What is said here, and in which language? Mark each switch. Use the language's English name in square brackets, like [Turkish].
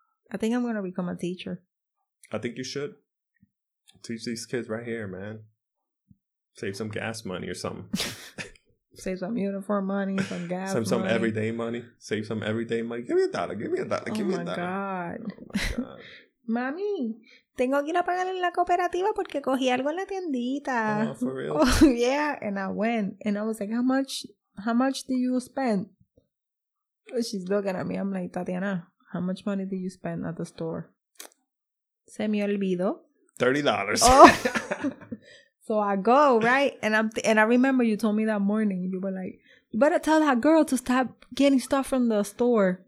[English] I think I'm going to become a teacher. I think you should. Teach these kids right here, man. Save some gas money or something. Save some uniform money, some gas money. Some everyday money. Save some everyday money. Give me a dollar. Give me a dollar. Give me a dollar. Oh, my God. [Spanish] Mami, tengo que ir a pagar en la cooperativa porque cogí algo en la tiendita. [English] Oh, for real? Oh, yeah. And I went. And I was like, how much do you spend? She's looking at me. I'm like, Tatiana, how much money do you spend at the store? [Spanish] Se me olvidó. [English] $30. Oh. So I go, right? And I remember you told me that morning. You were like, you better tell that girl to stop getting stuff from the store.